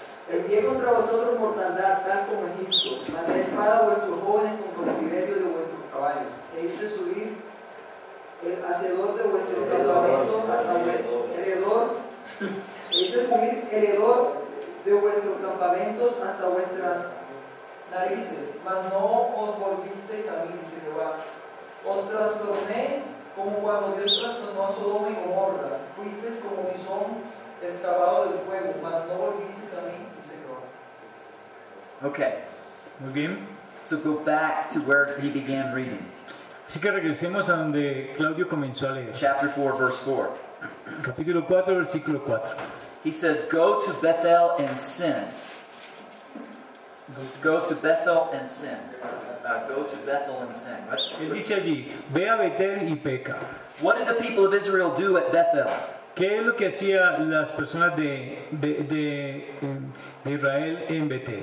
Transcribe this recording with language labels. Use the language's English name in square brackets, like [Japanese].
[Spanish] Envié contra vosotros mortandad, tal como Egipto, mandé espada a vuestros jóvenes con cautiverio de vuestros caballos, e hice subir el hacedor de vuestro campamento, hasta vuestras narices, mas no os volvisteis a mí, dice Jehová. Os trastorné como cuando Dios trastornó a Sodoma y Gomorra. Fuisteis como visón excavado del fuego, mas no volvisteis a mí, dice Jehová. [English] Okay. [Spanish] Muy bien. [English] So go back to where he began reading. [Spanish] Así que regresemos a donde Claudio comenzó a leer. [English] Chapter 4, verse 4. [Spanish] Capítulo 4, versículo 4. [English] He says, go to Bethel and sin. Go to Bethel and sin. Go to Bethel and sin. [Spanish] Él dice allí, ve a Betel y peca. [English] What did the people of Israel do at Bethel? [Spanish] ¿Qué es lo que hacían las personas de Israel en Betel?